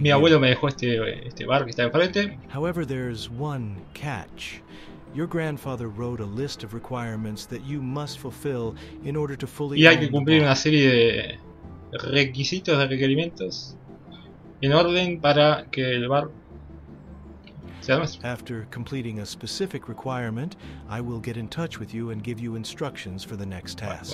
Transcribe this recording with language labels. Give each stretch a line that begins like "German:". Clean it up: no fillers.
Spanish: Mi abuelo me dejó este bar que está enfrente.
English: However, there's one catch. Your grandfather wrote a list of requirements that you must fulfill in order to fully
Spanish: Y hay que cumplir una serie de requisitos, de requerimientos en orden para que el bar sea nuestro.
English: After completing a specific requirement, I will get in touch with you and give you instructions for the next task.